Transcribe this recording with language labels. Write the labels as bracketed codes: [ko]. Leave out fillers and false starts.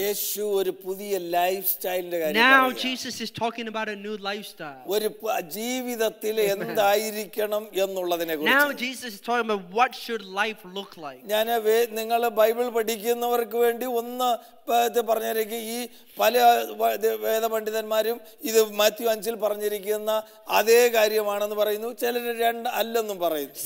[ml] യേശു ഒരു പുതിയ ലൈഫ്സ്റ്റൈലിന്റെ കാര്യം. [en] Now Jesus is talking about a new lifestyle. [ml] ഒരു ജീവിതത്തിലെ എന്തായിരിക്കണം എന്നുള്ളതിനെക്കുറിച്ച്. [en] Jesus is talking about what should life look like. [ml] ഞാൻ നിങ്ങളെ ബൈബിൾ പഠിക്കുന്നവർക്ക് വേണ്ടി ഒന്ന് പറഞ്ഞിരിക്ക, ഈ പല വേദപണ്ഡിതന്മാരും ഇത് മാത്യു 5 പറഞ്ഞിരിക്കുന്ന അതേ കാര്യമാണെന്ന് പറയുന്നു, ചിലർ രണ്ട് അല്ലെന്നും പറയുന്നു.